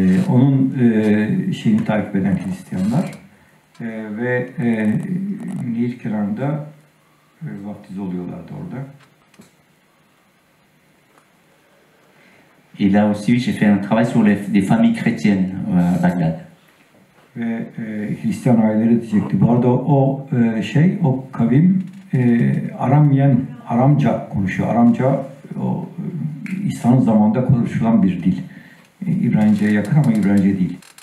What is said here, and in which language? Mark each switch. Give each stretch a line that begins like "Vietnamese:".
Turkish: Onun şeyini takip eden Hristiyanlar ve Nehir kenarında vaftiz oluyorlardı orada.
French: Et là aussi j'ai fait un travail sur les familles chrétiennes à Bagdad.
Turkish: Ve Hristiyan aileleri diyecekti. Bu arada o şey, o kavim Aramyen, Aramca konuşuyor. Aramca o İslam zamanında konuşulan bir dil. İbranice'ye yakın ama İbranice değil.